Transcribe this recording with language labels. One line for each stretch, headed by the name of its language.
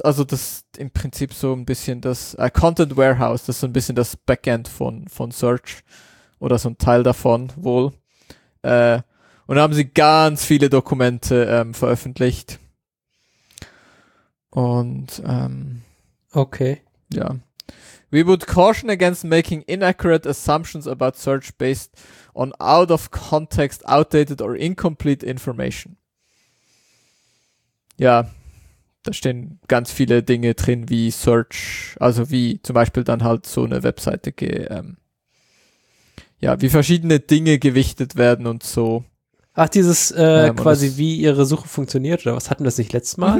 German: Also das im Prinzip so ein bisschen das Content Warehouse, das ist so ein bisschen das Backend von Search oder so ein Teil davon wohl. Und da haben sie ganz viele Dokumente veröffentlicht. Und okay. Ja.
English: We would caution against making inaccurate assumptions about search based on out of context, outdated or incomplete information.
German: Ja, da stehen ganz viele Dinge drin, wie Search, also wie zum Beispiel dann halt so eine Webseite, ja, wie verschiedene Dinge gewichtet werden und so. Ach, dieses quasi, das, wie ihre Suche funktioniert, oder was, hatten wir das nicht letztes Mal?